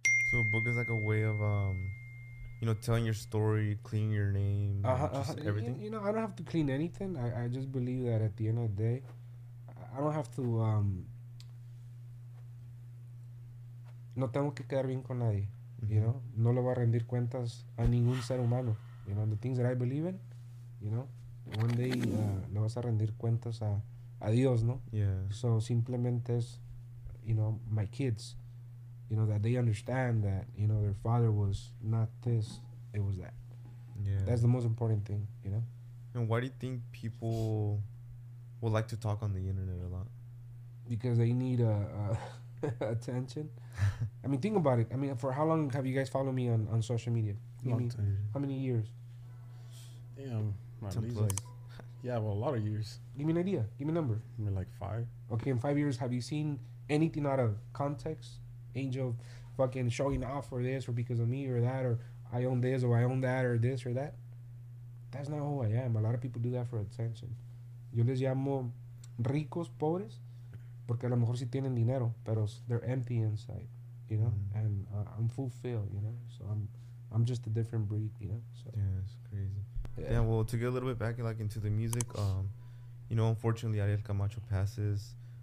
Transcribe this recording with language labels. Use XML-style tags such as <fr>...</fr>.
<en>So a book is like a way of you know, telling your story, cleaning your name, everything. You know, I don't have to clean anything. I just believe that at the end of the day, I don't have to</en> <es>no tengo que quedar bien con nadie.</es> <en>You know,</en> <es>no le va a rendir cuentas a ningún ser humano.</es> <en>You know, the things that I believe in, you know, one day</en> <es>le vas a rendir cuentas a Dios, no?</es> <en>Yeah. So</en> <es>simplemente es,</es> <en>you know, my kids, you know, that they understand that, you know, their father was not this, it was that. Yeah. That's the most important thing, you know? And why do you think people would like to talk on the internet a lot? Because they need attention. I mean, think about it. I mean, for how long have you guys followed me on social media? Long time. How many years? Damn, at least. Yeah, well, a lot of years. Give me an idea. Give me a number. I mean, like five. Okay, in 5 years, have you seen anything out of context? Angel fucking showing off for this or because of me or that, or I own this or I own that or this or that. That's not who I am. A lot of people do that for attention.</en> <es>Yo les llamo ricos pobres porque a lo mejor si tienen dinero, pero</es> <en>they're empty inside, you know. Mm-hmm. And I'm fulfilled, you know. So I'm just a different breed, you know. So yeah, it's crazy. Yeah. Damn, well, to get a little bit back like into the music, you know, unfortunately Ariel Camacho passes.</en>